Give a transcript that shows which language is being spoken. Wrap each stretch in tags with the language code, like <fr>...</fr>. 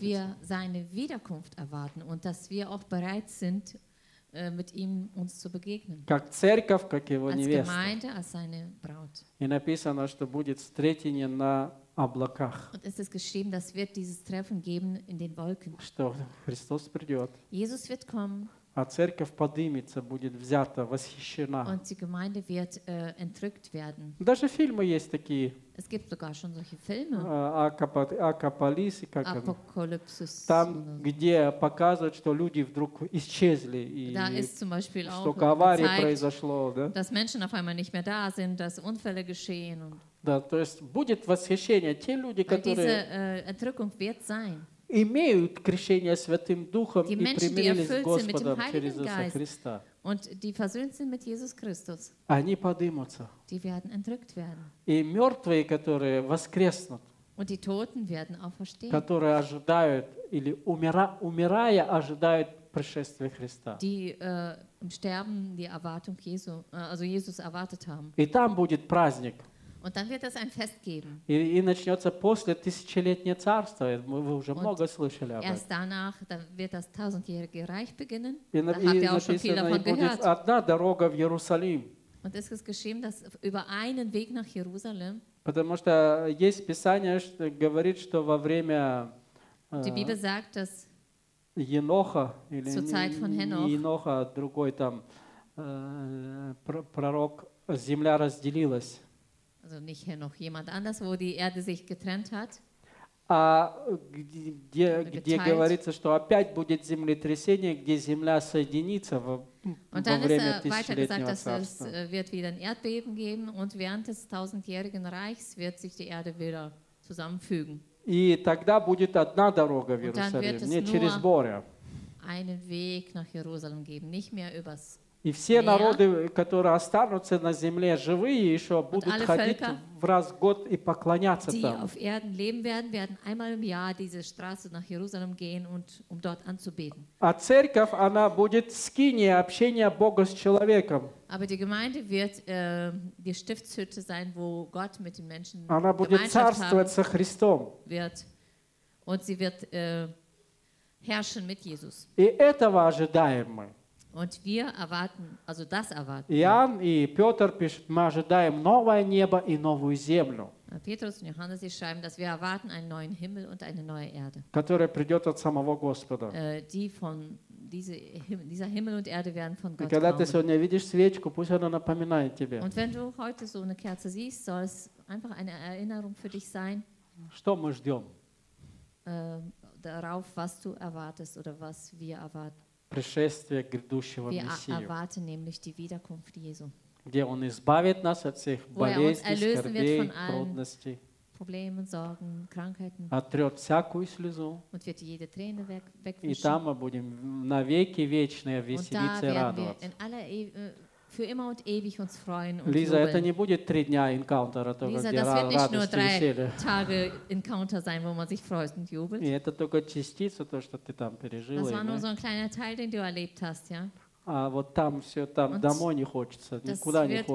<de>Dass wir seine Wiederkunft erwarten und dass wir auch bereit sind, mit ihm uns zu begegnen.</de> <ru>Как церковь, как его</ru> <de>als</de> <ru>невеста.</ru> <de>Gemeinde, als seine Braut.</de> <ru>И написано, что будет встретение на облаках.</ru> <de>Und es ist geschrieben, dass wird dieses Treffen geben in den Wolken.</de> <ru>Что Христос придет.</ru> <de>Jesus wird kommen.</de> <ru>А церковь поднимется, будет взята, восхищена.</ru> <de>Und die Gemeinde wird entrückt werden.</de> <ru>Даже фильмы есть такие.</ru> <de>Es gibt sogar schon solche Filme.</de> <ru>Апокалипсис, как это? Апокалипсис. Там, где показывают, что люди вдруг исчезли. И</ru> <de>da ist zum Beispiel auch,</de> <ru>что авария произошла. Да?</ru> <de>Dass Menschen auf einmal nicht mehr da sind, dass Unfälle geschehen. Und</de> <ru>да, то есть будет восхищение. Те люди, которые...</ru> <de>Diese Entrückung wird sein.</de> <ru>Имеют крещение Святым Духом и примирились с Господом через Иисуса Христа.</ru> <de>Und die versöhnt sind mit Jesus Christus.</de> <ru>Они поднимутся.</ru> <de>Die werden entrückt werden.</de> <ru>И мертвые, которые воскреснут.</ru> <de>Und die Toten werden auferstehen.</de> <ru>Которые ожидают или умирая ожидают пришествия Христа.</ru> <de>Die im Sterben die Erwartung Jesu, also Jesus erwartet haben.</de> <ru>И там будет праздник.</ru> <de>Und dann wird es ein Fest geben.</de> <ru>И начнется после тысячелетнее царство. Вы уже много слышали об этом.</ru> <de>Erst danach, dann wird das tausendjährige Reich beginnen. Da habt ihr auch schon viel davon gehört.</de> <ru>Будет одна дорога в Иерусалим.</ru> <de>Und es ist geschehen, dass über einen Weg nach Jerusalem.</de> <ru>Потому что есть Писание, что говорит, что во время.</ru> <de>Die Bibel sagt, dass.</de> <ru>Еноха или</ru> <de>zur Zeit von Henoch,</de> <ru>Еноха, другой там пророк, земля разделилась.</ru> <de>Also nicht hier noch jemand anders, wo die Erde sich getrennt hat.</de> <ru>А где, где говорится, что опять будет землетрясение, где земля соединится во время тысячелетнего царства.</ru> <de>Und dann ist weiter gesagt, dass es wird wieder ein Erdbeben geben und während des tausendjährigen Reichs wird sich die Erde wieder zusammenfügen.</de> <ru>И тогда будет одна дорога в Иерусалим, не через Боря.</ru> <de>Einen Weg nach Jerusalem geben, nicht mehr übers.</de> <ru>И все народы, которые останутся на земле живые, еще будут ходить в раз в год и поклоняться там.</ru> <de>Die auf Erden leben werden, werden einmal im Jahr diese Straße nach Jerusalem gehen und um dort anzubeten.</de> <ru>А церковь, она будет скиния общения Бога с человеком.</ru> <de>Aber die Gemeinde wird die Stiftshütte sein, wo Gott mit den Menschen</de> <ru>она будет царствовать со Христом.</ru> <de>Wird. Und sie wird herrschen mit Jesus.</de> <ru>И этого ожидаем мы.</ru> <de>Und wir erwarten, also das erwarten.</de> <ru>Иоанн и Петр пишут, мы ожидаем новое небо и новую землю.</ru> <de>Petrus und Johannes sie schreiben, dass wir erwarten einen neuen Himmel und eine neue Erde.</de> <ru>Которая придет от самого Господа.</ru> <de>Die von diese, dieser Himmel und Erde werden von Gott.</de> <ru>И когда ты сегодня видишь свечку, пусть она напоминает тебе.</ru> <de>Und wenn du heute so eine Kerze siehst, soll es einfach eine Erinnerung für dich sein.</de> <ru>Что мы ждем?</ru> <de>Darauf, was du erwartest oder was wir erwarten.</de> <ru>Пришествие грядущего Мессии.</ru> <de>Wir erwarten nämlich die Wiederkunft Jesu.</de> <ru>Где Он избавит нас от всех болезней, скорбей, трудностей.</ru> <de>Problemen, Sorgen, Krankheiten.</de> <ru>Отрет всякую слезу.</ru> <de>Und wird jede Träne wegwischen.</de> <ru>И там мы будем навеки вечные веселиться</ru> <de>und</de> <ru>и радоваться.</ru> <de>Wir in aller für immer und ewig uns freuen und</de> <ru>Lisa,</ru> <de>jubeln.</de> <ru>Это не будет три дня энкаунтера, только Lisa, где радость и веселье.</ru> <de>Tage Encounter sein, wo man sich freut und jubelt.</de> <ru>И это только частица, то, что ты там пережила.</ru> <de>Das war nur so ein kleiner Teil, den du erlebt hast, ja?</de> <ru>А вот там все, там und домой не хочется, никуда не хочется.</ru>